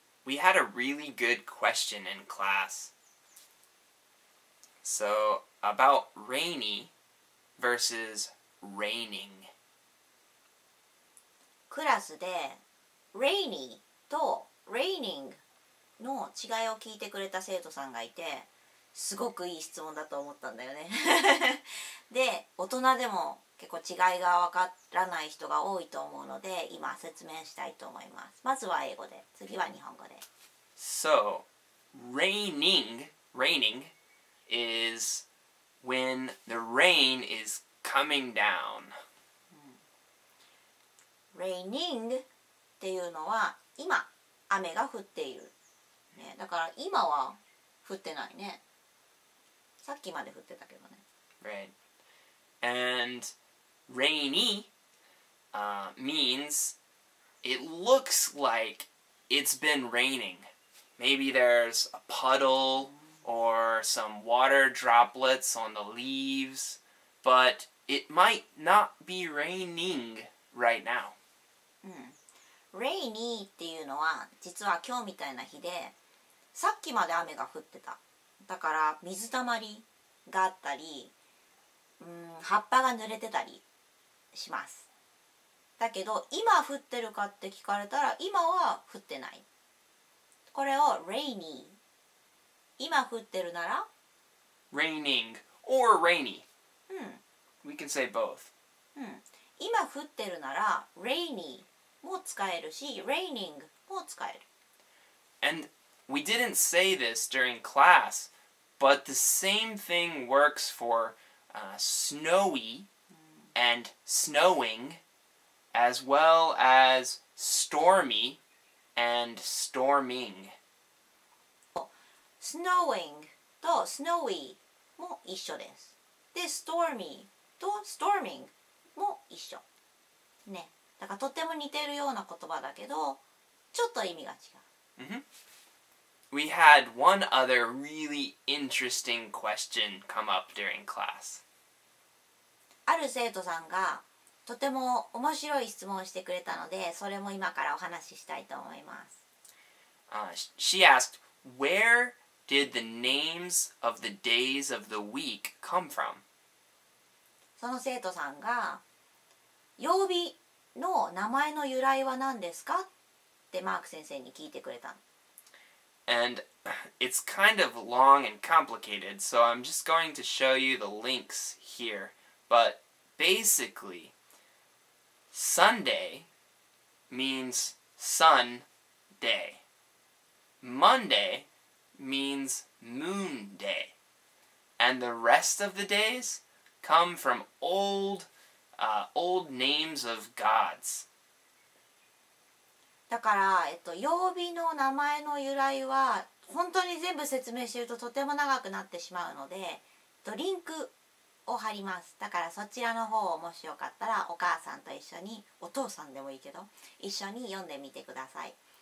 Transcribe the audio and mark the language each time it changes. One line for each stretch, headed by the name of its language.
English: We had a really good question in class. So, about rainy versus raining.
Japanese: クラスで rainyと raining の違いを聞いてくれた生徒さんがいて、すごくいい質問だと思ったんだよね。で、大人でも結構違いが分からない人が多いと思うので、今説明したいと思います。まずは英語で、次は日本語で。
English: So, raining is when the rain is coming down.
Japanese: Raining っていうのは今雨が降っている、ね、だから今は降ってないね。さっきまで降ってたけどね。
English: Right. And rainy、means it looks like it's been raining. Maybe there's a puddle or some water droplets on the leaves, but it might not be raining right now.
Japanese: うん、Rainy っていうのは実は今日みたいな日で、さっきまで雨が降ってた、だから水たまりがあったり、葉っぱが濡れてたりします。だけど今降ってるかって聞かれたら今は降ってない。これを rainy、 今降ってるなら
English: raining or rainy、うん、 we can say both、
Japanese: うん、今降ってるなら rainyも使えるし、raining も使える。
English: And we didn't say this during class, but the same thing works for、snowy and snowing, as well as stormy and storming.
Japanese: Snowing と snowy も一緒です。で、stormy と storming も一緒。ね。だからとても似てるような言葉だけど、ちょっと意味が違う。 Mm-hmm.
English: We had one other really interesting question come up during class.
Japanese: ある生徒さんがとても面白い質問をしてくれたので、それも今からお話ししたいと思います。
English: She asked, "Where did the names of the days of the week come from?"
Japanese: その生徒さんが、曜日の名前の由来は何ですかってマーク先生に聞いてくれた。
English: And it's kind of long and complicated, so I'm just going to show you the links here. But basically, Sunday means sun day. Monday means moon day. And the rest of the days come from old names of gods.
Japanese: だから、曜日の名前の由来は本当に全部説明しているととても長くなってしまうので、ドリンクを貼ります。だからそちらの方をもしよかったらお母さんと一緒に、お父さんでもいいけど一緒に読んでみてください。